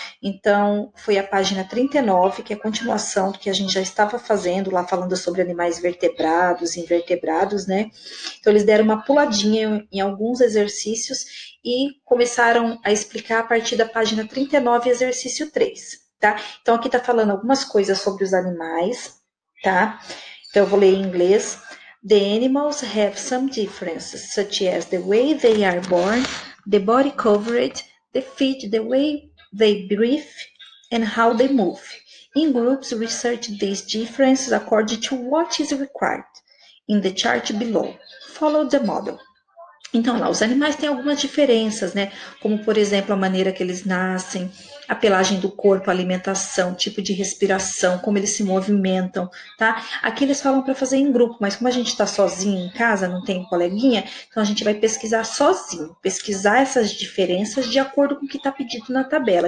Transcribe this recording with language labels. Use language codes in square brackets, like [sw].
[pt] Então, foi a página 39, que é a continuação do que a gente já estava fazendo lá, falando sobre animais vertebrados, invertebrados, né? Então, eles deram uma puladinha em alguns exercícios e começaram a explicar a partir da página 39, exercício 3, tá? Então, aqui está falando algumas coisas sobre os animais, tá? Então, eu vou ler em inglês. [en] The animals have some differences, such as the way they are born, the body coverage, the feet, the way they breathe, and how they move. In groups, research these differences according to what is required in the chart below. Follow the model. [pt] Então, lá, os animais têm algumas diferenças, né? Como, por exemplo, a maneira que eles nascem, a pelagem do corpo, a alimentação, tipo de respiração, como eles se movimentam, tá? Aqui eles falam para fazer em grupo, mas como a gente está sozinho em casa, não tem coleguinha, então a gente vai pesquisar sozinho, pesquisar essas diferenças de acordo com o que está pedido na tabela.